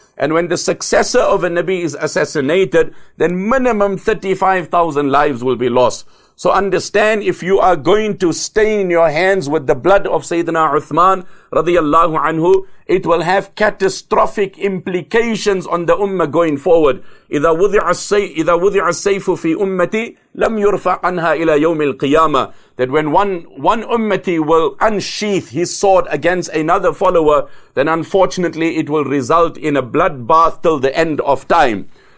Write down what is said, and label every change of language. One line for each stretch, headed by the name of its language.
English: And when the successor of a Nabi is assassinated, then minimum 35,000 lives will be lost. So understand, if you are going to stain your hands with the blood of Sayyidina Uthman radiyallahu anhu, it will have catastrophic implications on the ummah going forward.
Arabic: إذا وضع السيف في أمتي لم يرفع عنها إلى يوم القيامة.
English: That when one ummati will unsheath his sword against another follower, then unfortunately it will result in a bloodbath till the end of time.